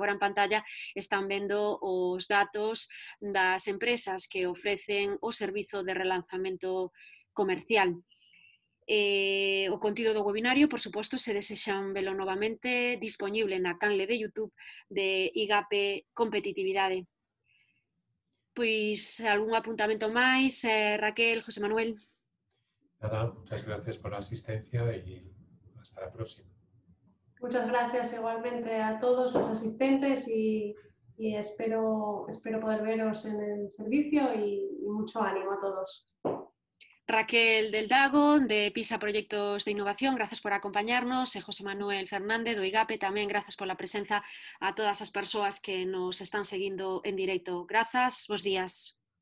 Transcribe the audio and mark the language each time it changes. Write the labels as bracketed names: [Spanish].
[Galician] Agora en pantalla están vendo os datos das empresas que ofrecen o servizo de relanzamento comercial. O contido do webinario, por suposto, se desexan velo novamente disponible na canle de YouTube de IGAPE Competitividade. Pois, algún apuntamento máis, Raquel, José Manuel? [Spanish] Nada, muchas gracias por a asistencia e hasta a próxima. Muchas gracias igualmente a todos [Galician] os asistentes e [Spanish] espero poder veros en el servicio e mucho ánimo a todos. Raquel del Dago, de PISA Proyectos de Innovación, gracias por acompañarnos. [Galician] E José Manuel Fernández, do IGAPE, tamén gracias pola presenza a todas as persoas que nos están seguindo en directo. Grazas, bos días.